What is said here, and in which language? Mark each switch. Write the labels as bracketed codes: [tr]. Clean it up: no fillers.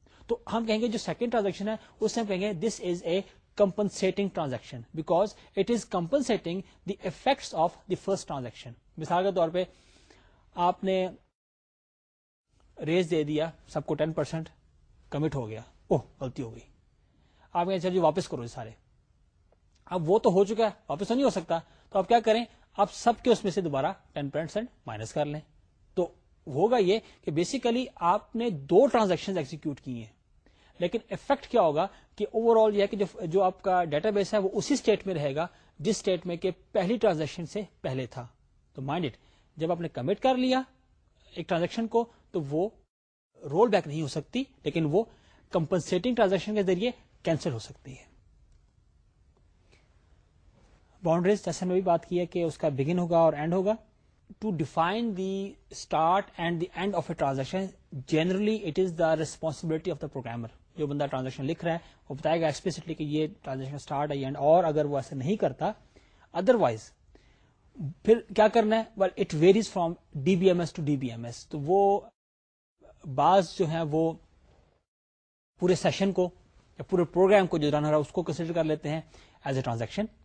[en] So, we will say that the second transaction is, this is a compensating transaction because it is compensating the effects of the first transaction. For example, you have given a raise, everyone 10% commit. [ur] غلطی ہو گئی, آپ کہیں سر جی واپس کرو سارے, اب وہ تو ہو چکا ہے واپس نہیں ہو سکتا, تو آپ کیا کریں آپ سب کے اس میں سے دوبارہ 10% مائنس کر لیں. تو ہوگا یہ کہ بیسیکلی آپ نے دو ٹرانزیکشن ایگزیکیوٹ کی ہیں, لیکن افیکٹ کیا ہوگا کہ اوور آل یہ کہ جو آپ کا ڈیٹا بیس ہے وہ اسی اسٹیٹ میں رہے گا جس اسٹیٹ میں کہ پہلی ٹرانزیکشن سے پہلے تھا. تو مائنڈ اٹ, جب آپ نے کمٹ کر لیا ایک ٹرانزیکشن کو تو وہ رول بیک نہیں ہو سکتی, لیکن وہ کمپنسیٹنگ ٹرانزیکشن کے ذریعے کینسل ہو سکتی ہے. باؤنڈریز, جیسے میں بھی بات کی ہے کہ اس کا بگن ہوگا اور اینڈ ہوگا. [en] To define the start and the end of a transaction generally it is the responsibility of the programmer. [ur] جو بندہ ٹرانزیکشن لکھ رہا ہے وہ بتائے گا ایکسپلسٹلی کہ یہ ٹرانزیکشن اسٹارٹ ہے اینڈ, اور اگر وہ ایسا نہیں کرتا ادر وائز پھر کیا کرنا ہے. [en] well it varies from D B M S [ur] to D B M S. تو وہ بعض جو ہیں وہ پورے سیشن کو یا پورے پروگرام کو جو رن ہو رہا ہے اس کو کنسیڈر کر لیتے ہیں ایز اے ٹرانزیکشن.